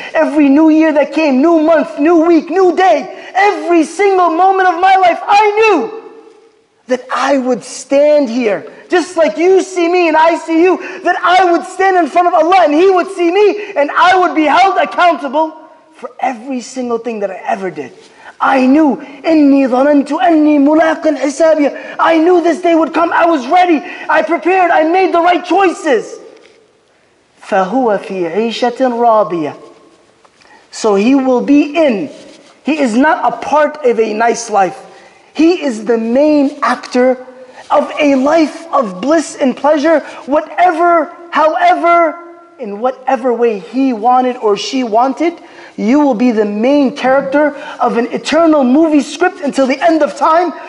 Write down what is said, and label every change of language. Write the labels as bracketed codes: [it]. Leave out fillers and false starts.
[en] Every new year that came, new month, new week, new day. Every single moment of my life, I knew that I would stand here. Just like you see me and I see you, that I would stand in front of Allah and He would see me and I would be held accountable for every single thing that I ever did. I knew, [ar] إِنِّي ظَنَنْتُ أَنِّي مُلَاقٍ حِسَابِيَ. [en] I knew this day would come, I was ready, I prepared, I made the right choices. [ar] فَهُوَ فِي عِيشَةٍ رَاضِيَةٍ. [en] So he will be in. He is not a part of a nice life. He is the main actor of a life of bliss and pleasure, whatever, however, in whatever way he wanted or she wanted, you will be the main character of an eternal movie script until the end of time.